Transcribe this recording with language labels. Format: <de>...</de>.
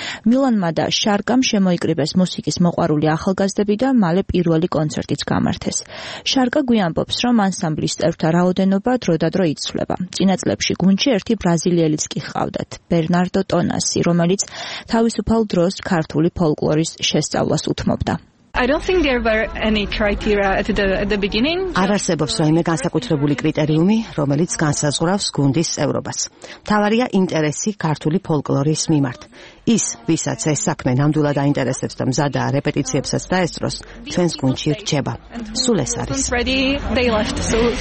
<ka>მილანმა და შარკამ შემოიკრიბეს მუსიკის მოყვარული ახალგაზრდები და მალე პირველი კონცერტიც გამართეს. შარკა გვიამბობს, რომ ანსამბლის წევრთა რაოდენობა დროდადრო იცვლება. წინა წლებში გუნდში ერთი ბრაზილიელიც კი ჰყავდათ, ბერნარდო ტონასი, რომელიც თავისუფალ დროს ქართული ფოლკლორის შესწავლას უთმობდა.</ka> <en>I don't think there were any criteria at the beginning.</en> <ka>არასებობს რაიმე განსაკუთრებული კრიტერიუმი, რომელიც განსაზღვრავს გუნდის წევრობას. მთავარია ინტერესი ქართული ფოლკლორის მიმართ. ის, ვისაც ეს საქმე ნამდვილად აინტერესებს და მზადა რეპეტიციებსაც დაესწროს, ჩვენს გუნდში რჩება. სულ ეს არის.</ka>